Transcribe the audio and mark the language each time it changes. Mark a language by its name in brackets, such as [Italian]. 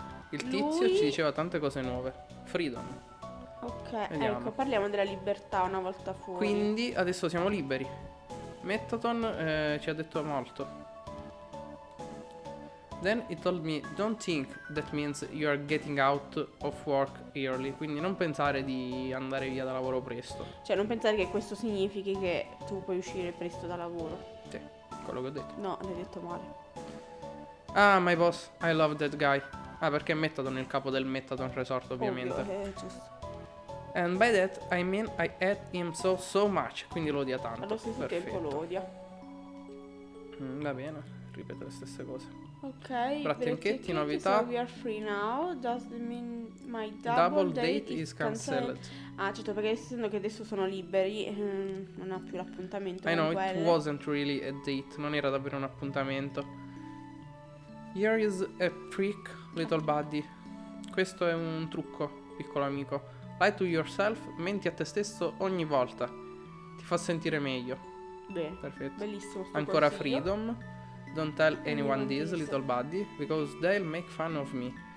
[Italian] Il tizio ci diceva tante cose nuove. Freedom. Ok, vediamo. Ecco, parliamo della libertà una volta fuori. Quindi adesso siamo liberi. Metaton ci ha detto molto. [English] Then he told me, don't think that means you are getting out of work early. [Italian] Quindi non pensare di andare via da lavoro presto. Cioè non pensare che questo significhi che tu puoi uscire presto da lavoro. Sì, quello che ho detto. No, l'hai detto male. [English] Ah, my boss, I love that guy. [Italian] Ah, perché è Metaton, il capo del Metaton Resort, ovviamente. Ovvio, giusto. [English] And by that, I mean I hate him so much. [Italian] Quindi lo odia tanto. Allo stesso perfetto tempo lo odia. Va bene, ripeto le stesse cose. Ok, Brattianchetti, novità. [English] So we are free now. Does that mean my double date is canceled? [Italian] Ah, certo, perché essendo che adesso sono liberi, non ha più l'appuntamento. [English] I know, it wasn't really a date. [Italian] Non era davvero un appuntamento. [English] Here is a prick, little buddy. [Italian] Questo è un trucco, piccolo amico. [English] Lie to yourself, [Italian] menti a te stesso ogni volta. Ti fa sentire meglio. Beh, perfetto. Bellissimo. Ancora consiglio. [English] Freedom. Don't tell anyone this, little buddy, because they'll make fun of me.